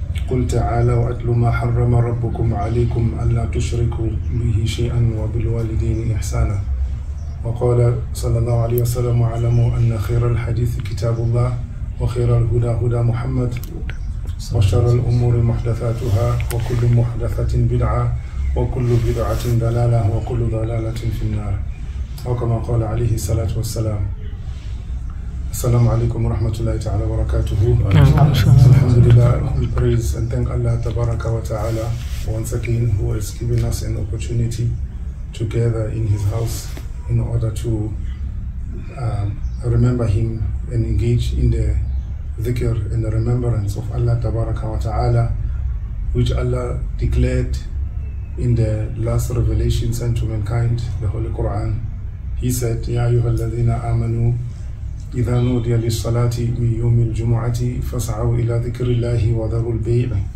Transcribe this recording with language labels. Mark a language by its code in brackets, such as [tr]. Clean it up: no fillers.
[ar] قل تعالى واتل ما حرم ربكم عليكم الا تشركوا به شيئا وبالوالدين احسانا وقال صلى الله عليه وسلم اعلموا ان خير الحديث كتاب الله وخير الهدى هدى محمد وشر الامور محدثاتها وكل محدثه بدعه وكل بدعه ضلاله وكل ضلاله في النار وكما قال عليه الصلاه والسلام Assalamu alaikum wa rahmatullahi ta'ala wa barakatuhu. [en] Alhamdulillah, we praise and thank Allah tabaraka wa ta'ala once again who has given us an opportunity to gather in his house in order to remember him and engage in the dhikr and the remembrance of Allah tabaraka wa ta'ala, which Allah declared in the last revelation sent to mankind, the Holy Quran. He said, [ar] Ya ayyuhal ladhina amanu, إذا نودي للصلاة من يوم الجمعة فسعوا إلى ذكر الله وذروا البيع.